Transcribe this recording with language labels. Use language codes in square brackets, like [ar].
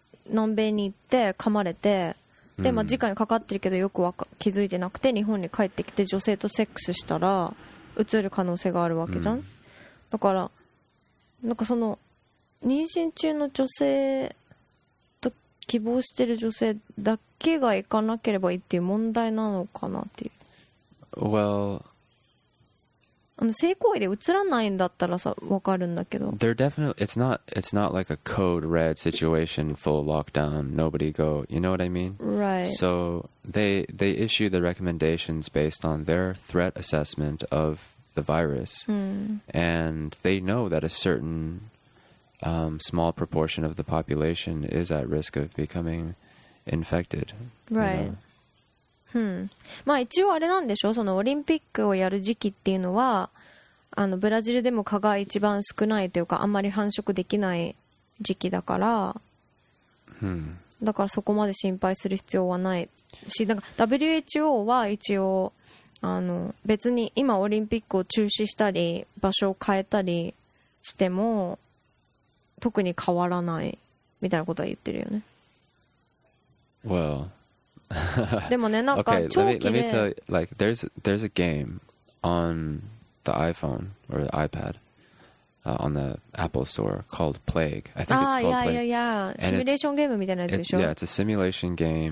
[ja] 南米に行って噛まれて、で、まあ、直にかかってるけどよく気づいてなくて日本に帰ってきて女性とセックスしたら移る可能性があるわけじゃん、だからなんかその妊娠中の女性と希望してる女性だけが行かなければいいっていう問題なのかなっていう。 [en] Well, [ja] 性行為で移らないんだったらさ、わかるんだけど。 [en] They're definitely, it's not like a code red situation, full lockdown, nobody go, you know what I mean? Right. So they issue the recommendations based on their threat assessment of the virus. And they know that a certain small proportion of the population is at risk of becoming infected. Right. You know? [ja] まあ一応あれなんでしょ、そのオリンピックをやる時期っていうのはブラジルでも蚊が一番少ないというかあんまり繁殖できない時期だから、だからそこまで心配する必要はないし、なんか WHO は一応別に今オリンピックを中止したり場所を変えたりしても特に変わらないみたいなことは言ってるよね。 [en] Well Okay, let me tell you, like, there's a game on the iPhone or the iPad, on the Apple Store called Plague. I think it's called Plague. Simulation game [ja] みたいなやつでしょ? [en] Yeah, it's a simulation game.